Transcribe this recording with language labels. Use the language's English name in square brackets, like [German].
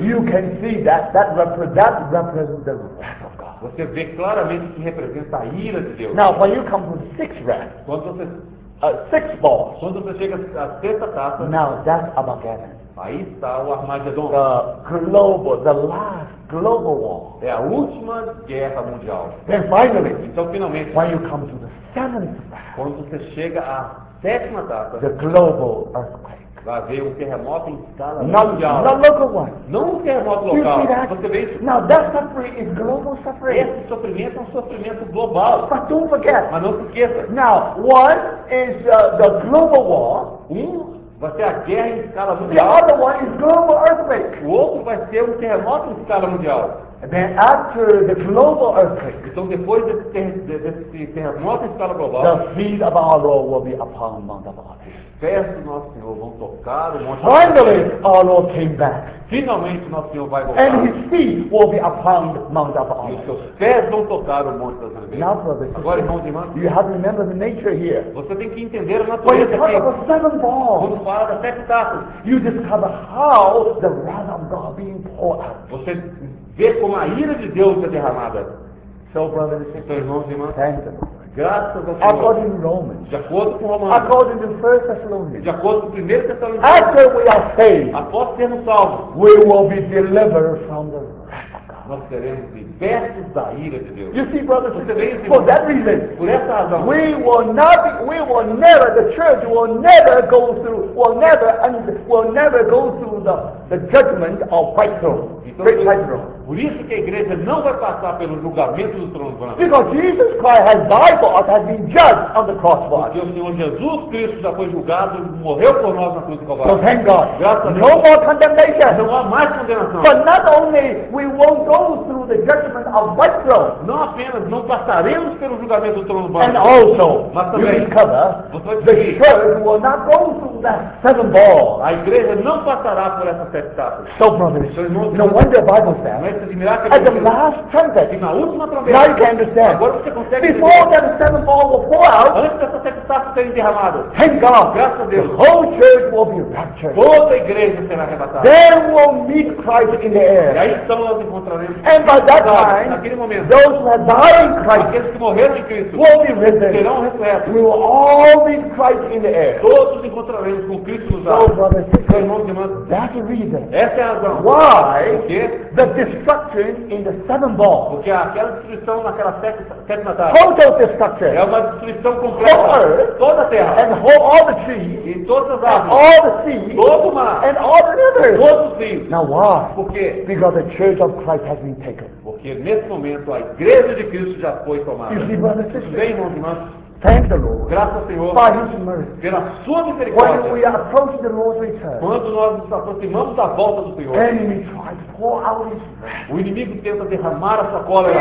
[English] you can see that represents the wrath of God. [Portuguese] Você vê claramente que representa a ira de Deus. [English] Now, when you come to six wrath, [Portuguese] quando você [English] six balls, [Portuguese] quando você chega à sexta taça, [English] now that's Armageddon. [Portuguese] Aí está o Armagedon. [English] The global, the last global war. [Portuguese] É a última guerra mundial. [English] Then finally, [Portuguese] então finalmente, [English] when you come to the seventh wrath, [Portuguese] quando você chega à sétima data, [English] the global earthquake. [Portuguese] Vai haver um terremoto em escala [English] not, [Portuguese] mundial. [English] Not local one. [Portuguese] Não um terremoto local. [English] You see that? [Portuguese] Você vê isso? [English] Now that suffering is global suffering. [Portuguese] Esse sofrimento é um sofrimento global. [English] But don't forget. [Portuguese] Mas não se esqueça. [English] Now, one is the global war. [Portuguese] Vai ser a guerra em escala mundial. [English] The other one is global earthquake. [Portuguese] O outro vai ser um terremoto em escala mundial. [English] And then after the global earthquake, [Portuguese] então depois desse terremoto em escala global, [English] the feet of our Lord will be upon Mount Olivet. [Portuguese] Pés do nosso Senhor vão tocar o Monte [English] Olivet. Finally, our Lord came back. [Portuguese] Finalmente, nosso Senhor vai voltar. [English] And his feet will be upon Mount Olivet. [Portuguese] E os seus pés vão tocar o Monte Olivet. [English] Now, brothers, [Portuguese] agora, irmãos e irmãs, [English] you have to remember the nature here. [Portuguese] Você tem que entender a natureza aqui. [English] When you talk about seven balls, [Portuguese] quando fala das sete taças, [English] you discover how the wrath of God being poured out. [Portuguese] Você vê como a ira de Deus é derramada. [English] So, brothers, [Portuguese] então, irmãos e irmãs, [English] thank you. [Portuguese] Graças ao [English] Senhor. According to Romans. [Portuguese] De acordo com Romanos. [English] According to 1 Thessalonians. [Portuguese] De acordo com 1 Thessalonians. [English] After we are saved. [Portuguese] Após sermos salvos. [English] We will be delivered from the wrath of God. [Portuguese] Nós seremos libertos da ira de Deus. [English] You see, brothers, [Portuguese] você vê isso? [English] For that reason. [Portuguese] Por essa razão. [English] We will not be, we will never, the church will never go through, will never go through the judgment of white throne. [Portuguese] Então, por isso que a igreja não vai passar pelo julgamento do trono branco. [English] Because Jesus Christ has died for us, has been judged on the cross for us. [Portuguese] Porque o Senhor Jesus Cristo já foi julgado, morreu por nós na cruz do Calvário. [English] So thank God. [Portuguese] Graças a Deus. [English] No more condemnation. [Portuguese] Não há mais condenação. [English] But not only we won't go through the judgment of white throne. [Portuguese] Não apenas não passaremos pelo julgamento do trono branco. [English] And also, [Portuguese] mas também, [English] you discover, the church will not go through the seven balls. [Portuguese] A igreja não passará por essas sete taças. [English] So brothers, no wonder the Bible says. At the last trumpet. [Portuguese] E na última trombeta. [English] Now you can understand. [Portuguese] Agora você consegue. [English] Before that seven ball will pour out. [Portuguese] Antes dessa sete taças serem derramadas. [English] Thank God. [Portuguese] Graças a Deus. [English] The whole church will be raptured. [Portuguese] Toda a igreja será arrebatada. [English] There will meet Christ in the air. [Portuguese] E aí então nós encontraremos. [English] And by that time. [Portuguese] Naquele momento. [English] Those who have died in Christ. [Portuguese] Aqueles que morreram em Cristo. [English] Will be risen. [Portuguese] Serão ressurretos. [English] We will all meet Christ in the air. [Portuguese] Todos encontraremos. aprende com Cristo nos abre. [English] That's the reason. [Portuguese] Essa é a razão. [English] Why? [Portuguese] Porque [English] the destruction in the seven balls. [Portuguese] Porque aquela destruição naquela sétima taça. [English] Total destruction. [Portuguese] É uma destruição completa. [English] For [Portuguese] toda a terra. [English] And whole, all the trees. [Portuguese] E todas as árvores. [English] All the seas. [Portuguese] Todo o mar. [English] And all the rivers. [Portuguese] Todos os rios. [English] Now why? [Portuguese] Por quê? [English] Because the church of Christ has been taken. [Portuguese] Porque nesse momento a igreja de Cristo já foi tomada. [English] You see, brother, sister. [Portuguese] Bem, irmãos, irmãs. [English] Thank the Lord. [Portuguese] Graças ao Senhor. [English] By His mercy. [Portuguese] Pela sua misericórdia. [English] When we approach the Lord's return. [Portuguese] Quando nós nos aproximamos da volta do Senhor. [English] The enemy tries to pour out his [Portuguese] wrath. O inimigo tenta derramar a sua cólera.